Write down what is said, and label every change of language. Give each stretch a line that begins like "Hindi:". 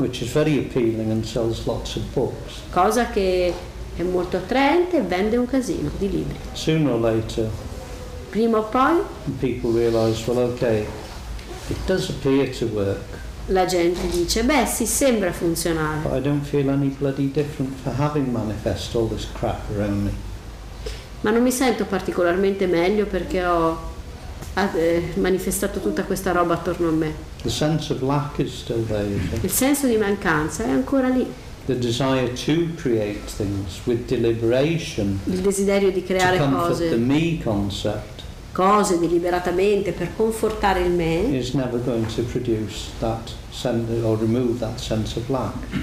English: Which is very appealing and sells lots of books.
Italian: Cosa che è molto attraente e vende un casino di libri.
English: Sooner or later,
Italian: prima o poi,
English: people realize, well, okay, it does appear to work.
Italian: La gente dice, beh, sì, sembra funzionare.
English: But I don't feel any bloody different for having manifest all this crap around me.
Italian: Ma non mi sento particolarmente meglio perché ho manifestato tutta questa roba attorno a me.
English: The sense of lack is still there, isn't it?
Italian: Il senso di mancanza è ancora lì.
English: The desire to create things with deliberation.
Italian: Il desiderio di creare
English: to comfort
Italian: cose.
English: The me concept.
Italian: Cose deliberatamente per confortare il me.
English: Is never going to produce that sense or remove that sense of lack.